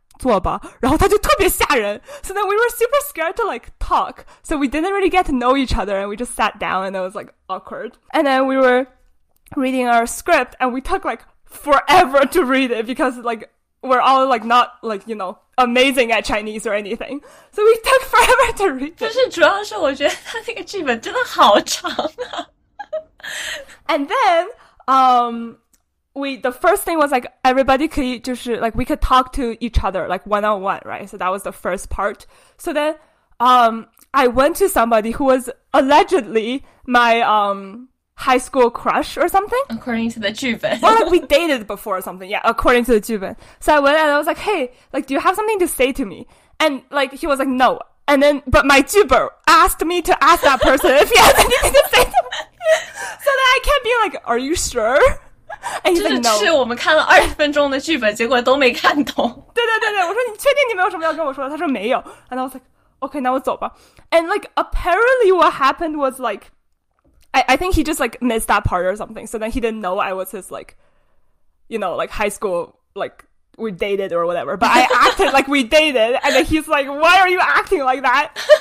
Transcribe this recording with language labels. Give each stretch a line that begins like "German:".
Chinese: 坐吧，然后他就特别吓人。
English: So then we were super scared to, like, talk. So we didn't really get to know each other, and we just sat down, and it was, like, awkward. And then we were reading our script, and we took, like, forever to read it because, like, we're all, like, not, like, you know, amazing at Chinese or anything. So we took forever to read it.
Chinese: 就是主要是我觉得他那个剧本真的好长啊。
English: And then, the first thing was like everybody could,
Chinese: 就是
English: like we could talk to each other like one on one, right? So that was the first part. So then, I went to somebody who was allegedly my high school crush or something. According to the 剧本. Or like we dated before or something. Yeah, according to the 剧本. So I went and I was like, hey, like, do you have something to say to me? And like, he was like, no. And then, but my 剧本 asked me to ask that person if he has anything to say to me. So then I kept being like, are you sure?
Chinese: 就是是我们看了二十分钟的剧本，结果都没看懂。对对对对，我说你确定你没有什么要跟我说的？他说没有。
English: And I was like, okay,
Chinese: 那我走吧。
English: And like apparently, what happened was like, I think he just like missed that part or something. So then he didn't know I was his like, you know, like high school, like we dated or whatever. But I acted like we dated, and then he's like, why are you acting like that?